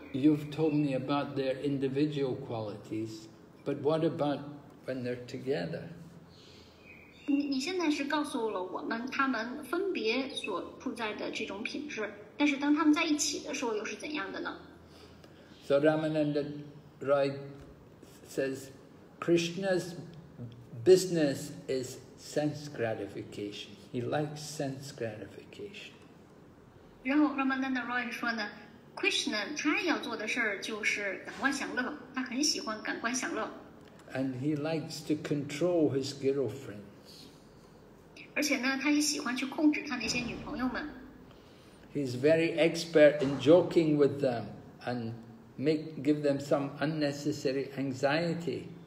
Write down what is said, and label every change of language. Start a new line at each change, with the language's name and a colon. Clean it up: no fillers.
English: You've told me about their individual qualities, but what about when they're together?
Chinese: 你现在是告诉了我们他们分别所处在的这种品质，但是当他们在一起的时候又是怎样的呢？
English: So Ramananda Rai says, Krishna's business is sense gratification. He likes sense gratification.
Chinese: 然后 Ramananda Rai 说呢， Krishna 他要做的事儿就是感官享乐，他很喜欢感官享乐。
English: And he likes to control his girlfriends.
Chinese: 而且呢，他也喜欢去控制他那些女朋友们。
English: He's very expert in joking with them and give them some unnecessary anxiety.